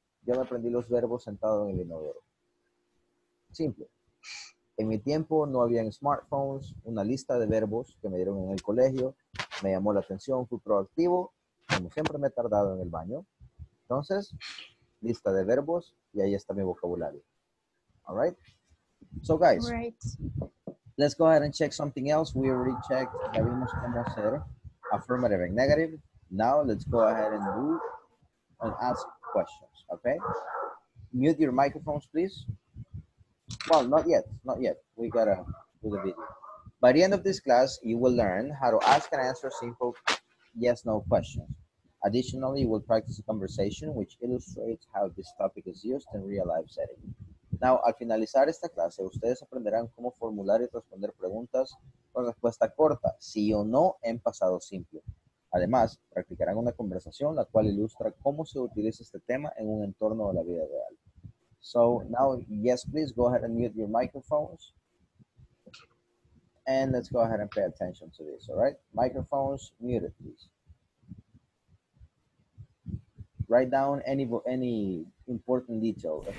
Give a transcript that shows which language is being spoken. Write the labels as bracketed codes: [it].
[es] Yo me aprendí los verbos sentado en el inodoro. Simple. En mi tiempo no habían smartphones, una lista de verbos que me dieron en el colegio. Me llamó la atención, fui proactivo. Como siempre me he tardado en el baño. Entonces, lista de verbos y ahí está mi vocabulario. [en] All right? So, guys, let's go ahead and check something else. We already checked. [es] Ya vimos cómo hacer [en] affirmative and negative. Now, let's go ahead and do and ask questions, okay? Mute your microphones, please. Well, not yet. We gotta do the video. By the end of this class, you will learn how to ask and answer simple yes-no questions. Additionally, you will practice a conversation which illustrates how this topic is used in real-life settings. [es] Now, al finalizar esta clase, ustedes aprenderán cómo formular y responder preguntas con respuesta corta, sí o no, en pasado simple. Además, practicarán una conversación la cual ilustra cómo se utiliza este tema en un entorno de la vida real. [en] So, now, yes, please, go ahead and mute your microphones. And let's go ahead and pay attention to this, all right? Microphones muted, please. Write down any important detail.